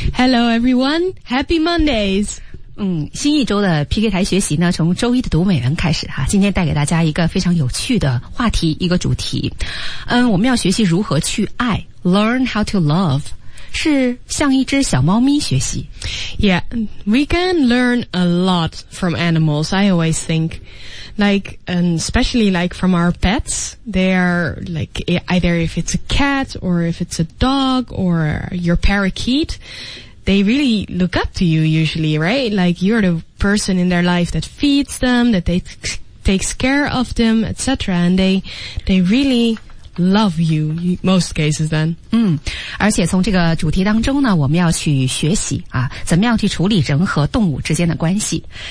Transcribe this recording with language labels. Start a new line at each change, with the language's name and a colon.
English: Hello everyone, Happy Mondays。
Chinese: 新一周的 PK 台学习呢，从周一的读美文开始哈。今天带给大家一个非常有趣的话题，一个主题。我们要学习如何去爱 ，
English: learn how to love，
Chinese: 是向一只小猫咪学习。
English: Yeah, we can learn a lot from animals. I always think, especially like from our pets. They are like either if it's a cat or if it's a dog or your parakeet. They really look up to you usually, right? Like you're the person in their life that feeds them, that they takes care of them, etc. And they really love you, most cases then.
Chinese: 而且从这个主题当中呢，我们要去学习啊，怎么样去处理人和动物之间的关系。